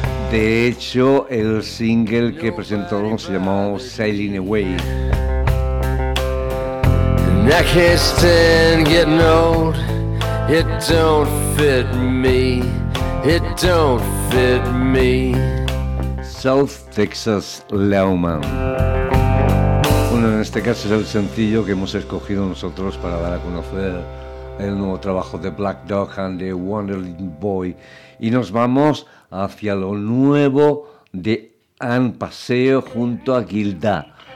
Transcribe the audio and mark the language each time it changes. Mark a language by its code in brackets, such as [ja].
[es] De hecho, el single que presentó se llamó Sailing Away. [en] And I can't stand getting old. It don't fit me, it don't fit me. South Texas Lawman. [es] Bueno, en este caso es el sencillo que hemos escogido nosotros para dar a conocer el nuevo trabajo de Black Dog and the Wandering Boy. Y nos vamos hacia lo nuevo de Ann Paseo junto a Gilda.